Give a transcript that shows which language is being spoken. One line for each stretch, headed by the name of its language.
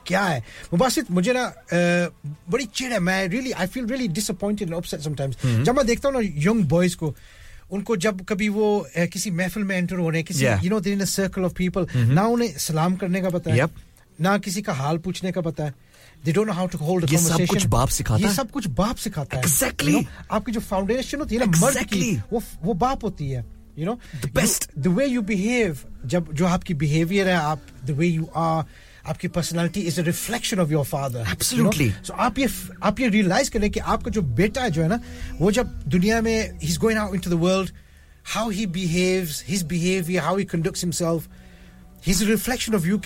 English: Mubasit, I feel really disappointed and upset sometimes. When I see young boys, when they they're in a circle of people, they don't know how to salam,
Hindi: ना किसी का हाल पूछने का पता है
English: they don't know how to hold a conversation
Hindi: ये सब कुछ बाप सिखाता है ये सब कुछ बाप सिखाता है
English: exactly you know,
Hindi: आपकी जो foundation होती है ना मर्द की वो बाप होती है you know
English: the best the way you behave
Hindi: जब जो आपकी
English: behavior है आप the way you are
Hindi: आपकी
English: personality is a reflection of your father absolutely you know? So
Hindi: आप ये realize करें कि आपका जो बेटा है जो है ना वो जब दुनिया में
English: he's going out into the world how he behaves his behavior how he conducts himself He's a reflection of you.